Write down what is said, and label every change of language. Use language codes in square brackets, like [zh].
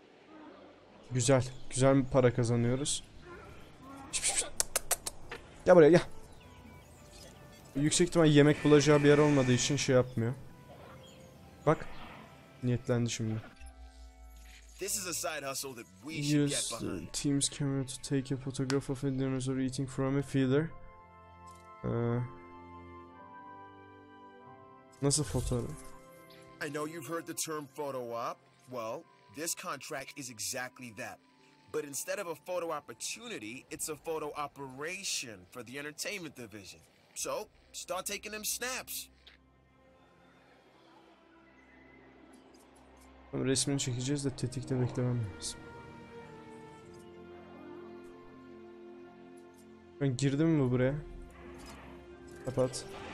[tr] Oh. Güzel. Güzel bir para kazanıyoruz. Gel buraya gel. Yüksek ihtimal yemek bulacağı bir yer olmadığı için şey yapmıyor. Bak. Niyetlendi şimdi. [en] This is a side hustle that we should get behind. Use Teams camera to take a photograph of a dinosaur eating from a feeder. [tr] Nasıl fotoğraf? [en] I know you've heard the term photo op. Well, this contract is exactly that. But instead of a photo opportunity, it's a photo operation for the entertainment division. So, start taking them snaps. [tr] Resmini çekeceğiz de tetikte beklemem lazım. Ben girdim mi buraya? Kapat.